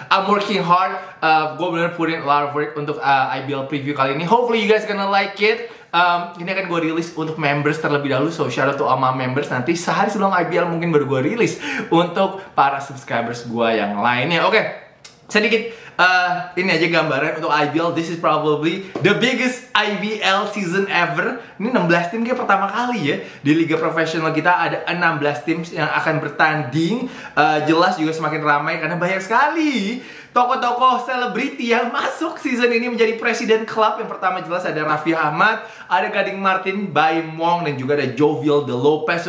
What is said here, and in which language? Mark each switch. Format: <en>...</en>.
<en>I'm working hard.</en> <id>Gue benar</id> <en>putting a lot of work untuk IBL preview</en> <id>kali ini.</id> <en>Hopefully you guys gonna like it.</en> <id>Ini akan gue rilis untuk members terlebih dahulu,</id> <en>so shout out to all my members.</en> <id>Nanti sehari sebelum IBL mungkin baru gue rilis untuk para subscribers gue yang lainnya. Oke, sedikit ini aja gambaran untuk IBL.</id> <en>This is probably the biggest IBL season ever.</en> <id>Ini 16 tim kayak pertama kali ya di liga profesional kita, ada 16 tim yang akan bertanding. Jelas juga semakin ramai karena banyak sekali tokoh-tokoh selebriti yang masuk season ini menjadi presiden klub. Yang pertama jelas ada Raffi Ahmad, ada Gading Martin, Bai Mong, dan juga ada Jovial De Lopez.</id>